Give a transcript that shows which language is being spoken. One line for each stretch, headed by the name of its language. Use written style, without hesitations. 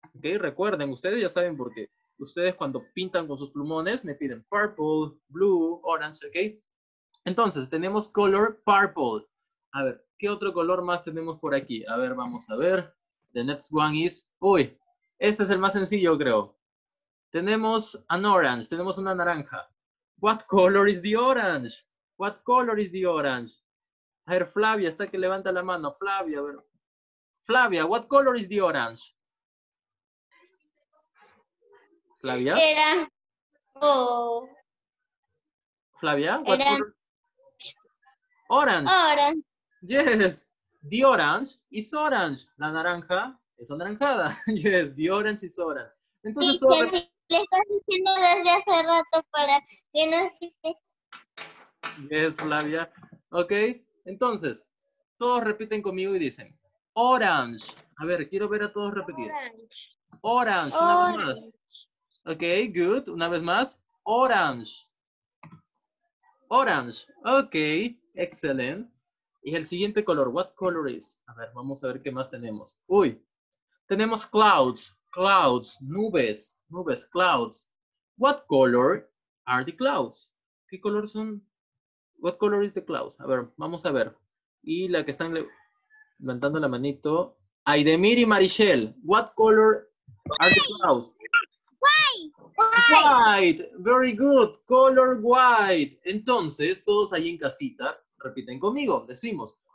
Spanish: Ok, recuerden, ustedes ya saben por qué. Ustedes cuando pintan con sus plumones me piden purple, blue, orange, ok. Entonces, tenemos color purple. A ver, ¿qué otro color más tenemos por aquí? A ver, vamos a ver.
English: The next one is...
Spanish: Uy. Este es el más sencillo, creo. Tenemos an orange, tenemos una naranja.
English: What color is the orange? What color is the orange?
Spanish: A ver, Flavia, está que levanta la mano. Flavia, a ver. Flavia,
English: what color is the orange?
Spanish: Flavia. Era. Flavia,
English: what color? Orange. Orange. Yes. The orange is orange.
Spanish: La naranja. Es anaranjada.
English: Yes, the orange is orange.
Spanish: Entonces, sí, todo... le estás diciendo desde hace rato para que no se... Yes, Flavia. Ok, entonces, todos repiten conmigo y dicen, orange. A ver, quiero ver a todos repetir.
English: Orange.
Spanish: Orange. Una vez más.
English: Ok, good.
Spanish: Una vez más. Orange. Orange.
English: Ok, excellent.
Spanish: Y el siguiente color,
English: what color is?
Spanish: A ver, vamos a ver qué más tenemos. Uy. Tenemos clouds, nubes, clouds.
English: What color are the clouds?
Spanish: ¿Qué color son?
English: What color is the clouds?
Spanish: A ver, vamos a ver. Y la que están levantando la manito.
English: Aydemir y Marichelle, what color are the clouds? White. White, very good. Color white.
Spanish: Entonces, todos ahí en casita, repiten conmigo, decimos...